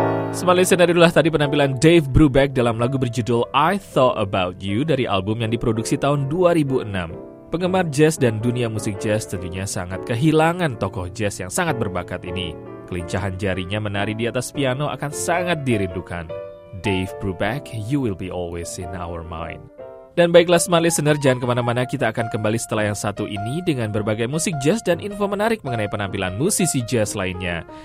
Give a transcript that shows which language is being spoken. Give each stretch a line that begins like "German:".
Indonesian: Smart Listener, itulah tadi penampilan Dave Brubeck dalam lagu berjudul I Thought About You dari album yang diproduksi tahun 2006. Penggemar jazz dan dunia musik jazz tentunya sangat kehilangan tokoh jazz yang sangat berbakat ini. Kelincahan jarinya menari di atas piano akan sangat dirindukan.
English: Dave Brubeck, you will be always in our mind.
Indonesian: Dan baiklah Smart Listener, jangan kemana-mana, kita akan kembali setelah yang satu ini dengan berbagai musik jazz dan info menarik mengenai penampilan musisi jazz lainnya.